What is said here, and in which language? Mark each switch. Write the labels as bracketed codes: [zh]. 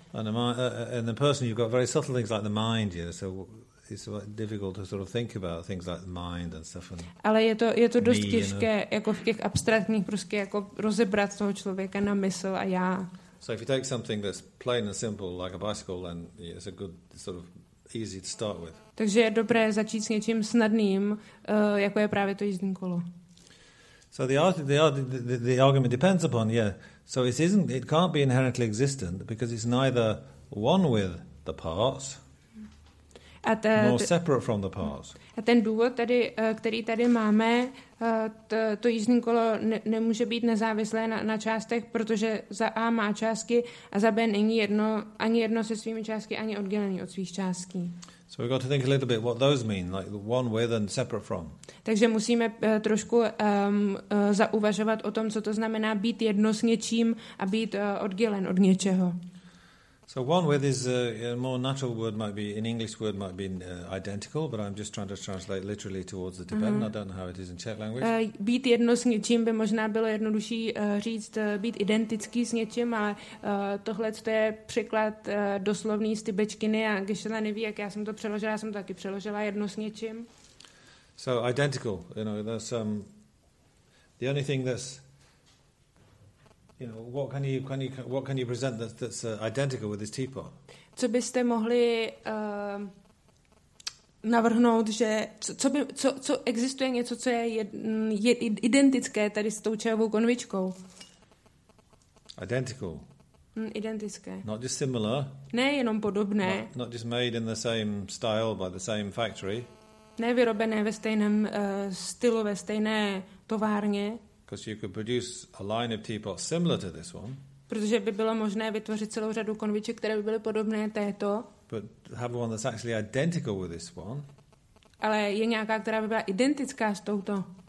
[en] And the person, you've got very subtle things like the mind, yeah. So it's difficult to sort of think about things like the mind and stuff. And [cs] ale je to dost těžké, [en] you know? [cs] Jako v těch abstraktních prostě jako rozebrat toho člověka na mysl a já. [en] So if you take something that's plain and simple like a bicycle, then it's a good sort of easy to start with. [cs] Takže je dobré začít s něčím snadným, jako je právě to jízdní kolo. [en] So the argument depends upon, yeah. So it can't be inherently existent because it's neither one with the parts. [cs] A ten důvod, tady, který tady máme, to jízdní kolo nemůže být nezávislé na částech, protože za A má částky a za B není jedno, ani jedno se svými částky, ani oddělený od svých částky. [en] So we've got to think a little bit what those mean, like one with and separate from. [cs] Takže musíme trošku zauvažovat o tom, co to znamená být jedno s něčím a být oddělen od něčeho. [en] So one with is a more natural word might be an English word might be identical, but I'm just trying to translate literally towards the Tibetan. Uh-huh. I don't know how it is in Czech language. [cs] Být jedno s něčím by možná bylo jednodušší říct být identický s něčím, ale tohle to je překlad doslovný z tibetčiny a Geshe-la neví, jak já jsem to přeložila, já jsem to taky přeložila jedno s něčím. [en] So identical, you know, that's the only thing that's, you know, what can you present that's identical with this teapot? [cs] Co byste mohli navrhnout, že co existuje něco, co je identické tady s tou čajovou konvičkou? [en] Identical. [cs] Identické. [en] Not just similar. [cs] Ne, jenom podobné. [en] Not just made in the same style by the same factory. [cs] Ne vyrobené ve stejném stylu, ve stejné továrně. [en] Because you could produce a line of teapots similar to this one. [cs] Protože by bylo možné vytvořit celou řadu konviček, které by byly podobné této. [en] But have one that's actually identical with this one. [cs] Ale je nějaká, která by byla identická s touto.